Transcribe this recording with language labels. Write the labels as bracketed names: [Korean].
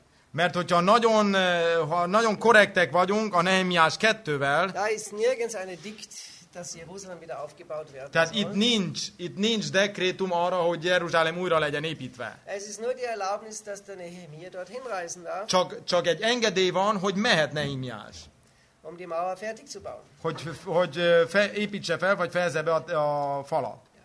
[Hungarian] Mert hogyha nagyon korrektek vagyunk a Nehemiás 2-vel. [German] Da ist nirgends eine Dikt. Dass Jeruzsálem wieder aufgebaut werden. [Hungarian] Tehát itt nincs dekrétum arra, hogy Jeruzsálem újra legyen építve. [German] Es ist nur die Erlaubnis, dass der Nehemia dorthin reisen darf. [Hungarian] Csak egy engedély van, hogy mehet Nehemiás. [German] Um die Mauer fertig zu bauen. [Hungarian] Hogy építse fel, vagy fejezze be a falat.